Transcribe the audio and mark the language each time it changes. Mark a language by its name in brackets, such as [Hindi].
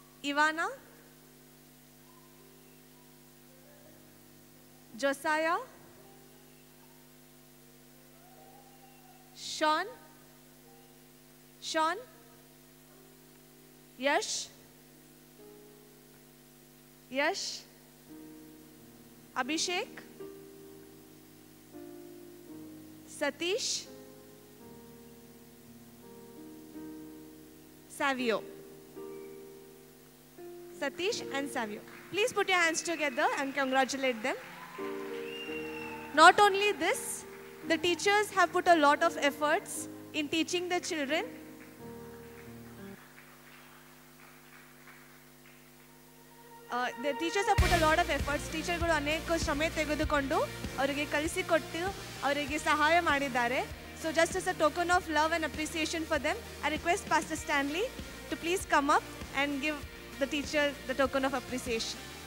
[English] Ivana Josiah Shaun Yash Abhishek Satish Satish and Savio. Please put your hands together and congratulate them. Not only this, the teachers have put a lot of efforts in teaching the children. the teachers have put a lot of efforts. [Kannada] Teacher ಗಳು ಅನೇಕ ಶ್ರಮ ತೆಗೆದುಕೊಂಡು ಅವರಿಗೆ ಕಲಿಸಿ ಕೊಟ್ಟು ಅವರಿಗೆ ಸಹಾಯ ಮಾಡಿದ್ದಾರೆ. [English] So just as a token of love and appreciation for them, I request Pastor Stanley to please come up and give the teacher the token of appreciation.